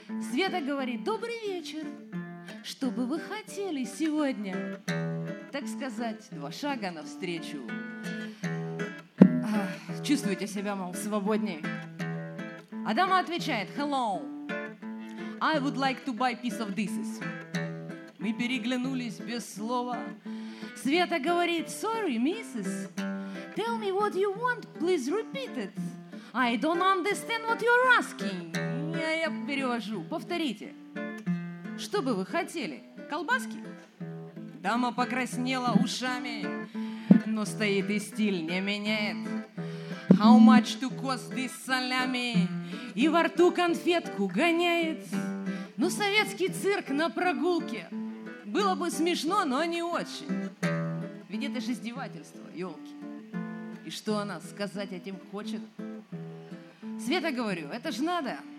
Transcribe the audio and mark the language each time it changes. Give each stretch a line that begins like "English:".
Russian: Света говорит, добрый вечер. Что бы вы хотели сегодня? Так сказать, два шага навстречу. Чувствуете себя, мол, свободнее. А дама отвечает, hello.
English: I would like to buy a piece of this.
Russian: Мы переглянулись без слова. Света говорит,
English: sorry, missus. Tell me what you want, please repeat it. I don't understand what you're asking.
Russian: Я перевожу. Повторите. Что бы вы хотели? Колбаски? Дама покраснела ушами, но стоит и стиль не меняет.
English: How much to cost this salami?
Russian: И во рту конфетку гоняет. Ну, советский цирк на прогулке. Было бы смешно, но не очень. Ведь это же издевательство, елки. И что она сказать этим хочет? Света, говорю, это ж надо.